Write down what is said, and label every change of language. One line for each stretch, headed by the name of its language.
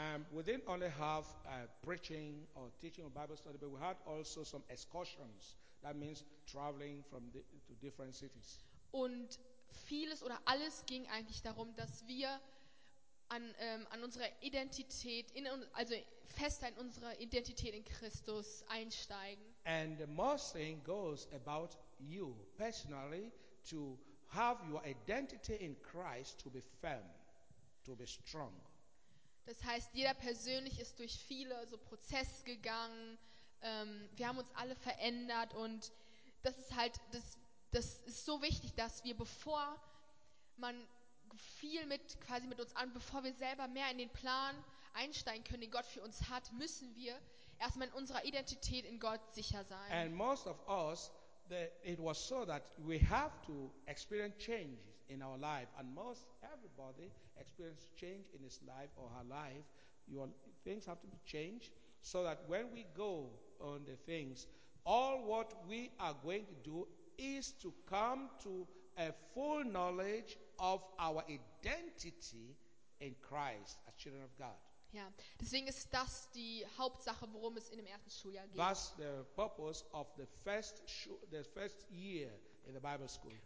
English: We didn't only have preaching or teaching or Bible study, but we had also some excursions. That means traveling from to different cities.
German: Und vieles oder alles ging eigentlich darum, dass wir an unserer Identität, also fester in unserer Identität in Christus einsteigen.
English: And the most thing goes about you personally to have your identity in Christ to be firm, to be strong.
German: Das heißt, jeder persönlich ist durch viele so Prozesse gegangen. Wir haben uns alle verändert und das ist halt das ist so wichtig, dass wir bevor man viel mit quasi mit uns an, bevor wir selber mehr in den Plan einsteigen können, den Gott für uns hat, müssen wir erstmal in unserer Identität in Gott sicher sein.
English: And most of us, it was so that we have to experience changes in our life, and most everybody experiences change in his life or her life. Things have to be changed so that when we go on the things, all what we are going to do is to come to a full knowledge of our identity in Christ as children of God.
German: Ja, deswegen ist das die Hauptsache, worum es in dem ersten Schuljahr geht.
English: That's the purpose of the first year in the Bible school.